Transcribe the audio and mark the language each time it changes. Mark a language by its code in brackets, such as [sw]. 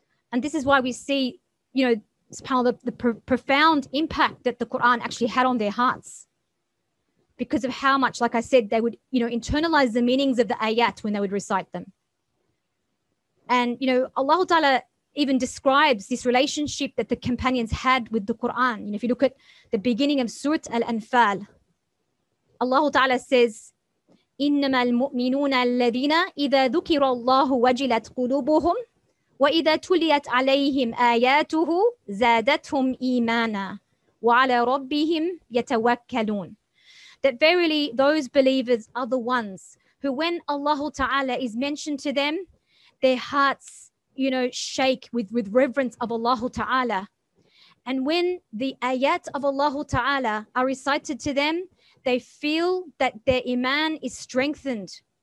[en] And this is why we see, you know, subhanAllah, the profound impact that the Quran actually had on their hearts. Because of how much, like I said, they would, you know, internalize the meanings of the ayat when they would recite them. And, you know, Allah Ta'ala even describes this relationship that the companions had with the Quran. You know, if you look at the beginning of Surah Al-Anfal, Allah Ta'ala says, [ar] إِنَّمَا الْمُؤْمِنُونَ الَّذِينَ إِذَا ذُكِرَ اللَّهُ وَجِلَتْ قُلُوبُهُمْ وَإِذَا تُلِيَتْ عَلَيْهِمْ آيَاتُهُ زَادَتْهُمْ إِيمَانًا وَعَلَى رَبِّهِمْ يَتَوَكَّلُونَ. [en] That verily those believers are the ones who, when Allah Ta'ala is mentioned to them, their hearts, you know, shake with reverence of Allah Ta'ala. And when the ayat of Allah Ta'ala are recited to them, they feel that their iman is strengthened.